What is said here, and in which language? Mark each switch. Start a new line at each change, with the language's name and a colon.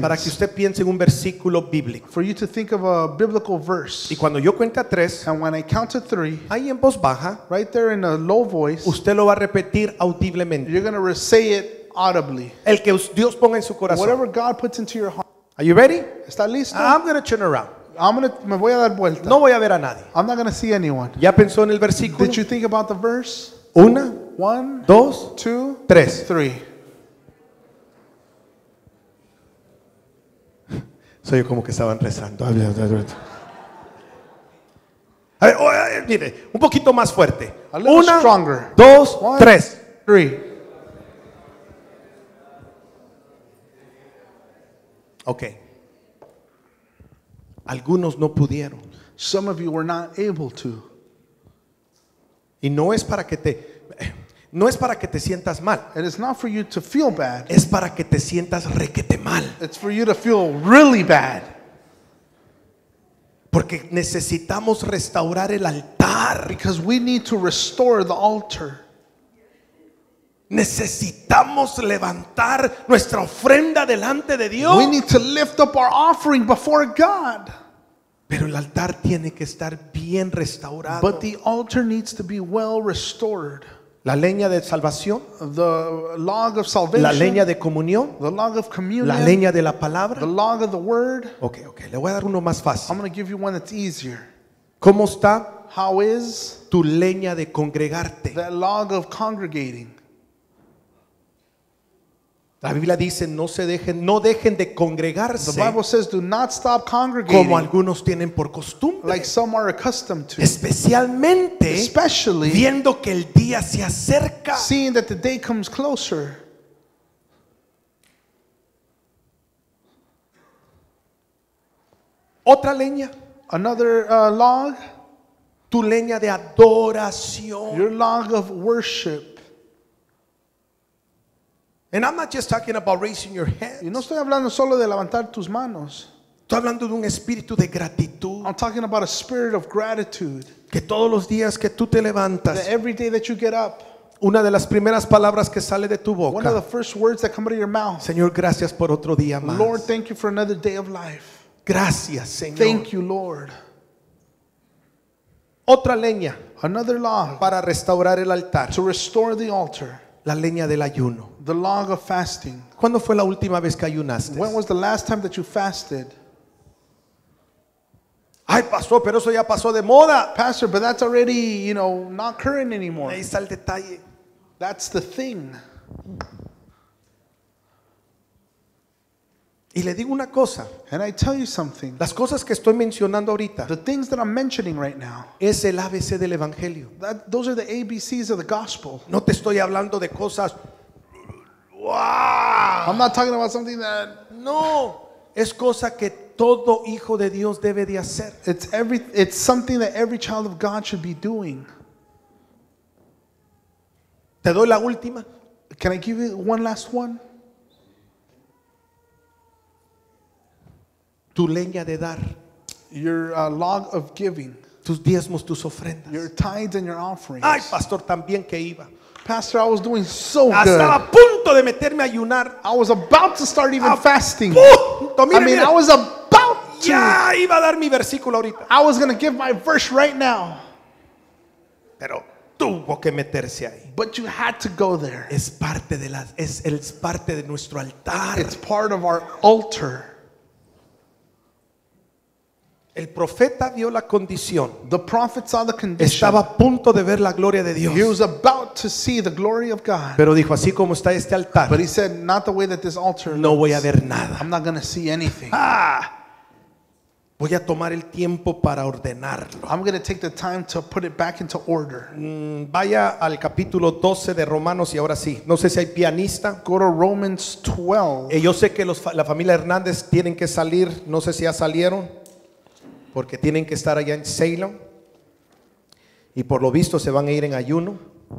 Spanish: Para que usted piense en un versículo bíblico.
English: For you to think of a biblical verse.
Spanish: Y cuando yo cuente a tres,
English: and when I count to three,
Spanish: ahí en voz baja,
English: right there in a low voice,
Spanish: usted lo va a repetir audiblemente.
English: You're going to say it audibly.
Spanish: El que Dios ponga en su corazón.
English: Whatever God puts into your heart. Are you ready?
Spanish: ¿Está listo?
English: I'm going to turn around.
Spanish: Me voy a dar vuelta. No voy a ver a nadie.
English: I'm not going to see anyone.
Spanish: ¿Ya pensó en el versículo?
English: Did you think about the verse?
Spanish: Una,
English: one,
Spanish: dos,
English: two,
Spanish: tres.
English: Three.
Spanish: Soy como que estaban rezando. A ver, mire, un poquito más fuerte.
English: A little
Spanish: una,
English: stronger.
Spanish: Dos,
English: one,
Spanish: tres.
English: Three. Okay.
Spanish: Algunos no pudieron.
English: Some of you were not able to.
Spanish: Y no es para que te sientas mal.
English: And it's not for you to feel bad.
Spanish: Es para que te sientas requete mal.
English: It's for you to feel really bad.
Spanish: Porque necesitamos restaurar el altar.
English: Because we need to restore the altar.
Spanish: Necesitamos levantar nuestra ofrenda delante de Dios.
English: We need to lift up our offering before God.
Spanish: Pero el altar tiene que estar bien restaurado.
English: But the altar needs to be well restored.
Spanish: La leña de salvación.
English: The log of salvation.
Spanish: La leña de comunión.
English: The log of communion.
Spanish: La leña de la palabra.
English: The log of the word.
Spanish: Okay, okay. Le voy a dar uno más fácil.
English: I'm going to give you one that's easier.
Spanish: ¿Cómo está?
English: How is
Spanish: tu leña de congregarte?
English: That log of congregating.
Spanish: La Biblia dice, no dejen de congregarse.
English: The Bible says, do not stop congregating.
Spanish: Como algunos tienen por costumbre.
English: Like some are accustomed to.
Spanish: Especialmente,
English: especially
Spanish: viendo que el día se acerca.
English: Seeing that the day comes closer.
Spanish: Otra leña.
English: Another log.
Spanish: Tu leña de adoración.
English: Your log of worship. And I'm not just talking about raising your hands.
Spanish: Y no estoy hablando solo de levantar tus manos. Estoy hablando de un espíritu de gratitud.
English: I'm talking about a spirit of gratitude.
Spanish: Que todos los días que tú te levantas.
English: That every day that you get up.
Spanish: Una de las primeras palabras que sale de tu boca.
English: One of the first words that come out of your mouth.
Spanish: Señor, gracias por otro día más.
English: Lord, thank you for another day of life.
Spanish: Gracias, Señor.
English: Thank you, Lord.
Spanish: Otra leña.
English: Another log.
Spanish: Para restaurar el altar.
English: To restore the altar.
Spanish: La leña del ayuno.
English: The log of fasting.
Spanish: ¿Cuándo fue la última vez que ayunaste?
English: When was the last time that you fasted?
Spanish: Ay, pastor, pero eso ya pasó de moda.
English: Pastor, but that's already, you know, not current anymore.
Spanish: Ahí está el detalle.
English: That's the thing.
Spanish: Y le digo una cosa.
English: And I tell you something.
Spanish: Las cosas que estoy mencionando ahorita.
English: The things that I'm mentioning right now.
Spanish: Es el ABC del evangelio.
English: That, those are the ABCs of the gospel.
Spanish: No te estoy hablando de cosas. Wow.
English: I'm not talking about something that.
Spanish: No. Es cosa que todo hijo de Dios debe de hacer.
English: It's something that every child of God should be doing.
Spanish: Te doy la última.
English: Can I give you one last one?
Spanish: Tu leña de dar.
English: Your log of giving.
Spanish: Tus diezmos, tus ofrendas.
English: Your tithes and your offerings.
Spanish: Ay, pastor, también que iba.
English: Pastor, I was doing so
Spanish: hasta
English: good.
Spanish: Estaba a punto de meterme a ayunar.
English: I was about to start even fasting.
Spanish: Punto, mire,
English: I mean,
Spanish: mire.
English: I was about to.
Spanish: Ya iba a dar mi versículo ahorita.
English: I was going to give my verse right now.
Spanish: Pero tuvo que meterse ahí.
English: But you had to go there.
Spanish: Es parte de nuestro altar.
English: It's part of our altar.
Spanish: El profeta vio la condición.
English: The prophet saw the condition.
Spanish: Estaba a punto de ver la gloria de Dios.
English: He was about to see the glory of God.
Spanish: Pero dijo, así como está este altar.
English: But he said, not the way that this altar looks.
Spanish: No voy a ver nada.
English: I'm not going to see anything.
Spanish: Ah, voy a tomar el tiempo para ordenarlo.
English: I'm going to take the time to put it back into order.
Spanish: Vaya al capítulo 12 de Romanos y ahora sí. No sé si hay pianista.
English: Go to Romans 12.
Spanish: Yo sé que la familia Hernández tienen que salir. No sé si ya salieron. Porque tienen que estar allá en Salem. Y por lo visto se van a ir en ayuno.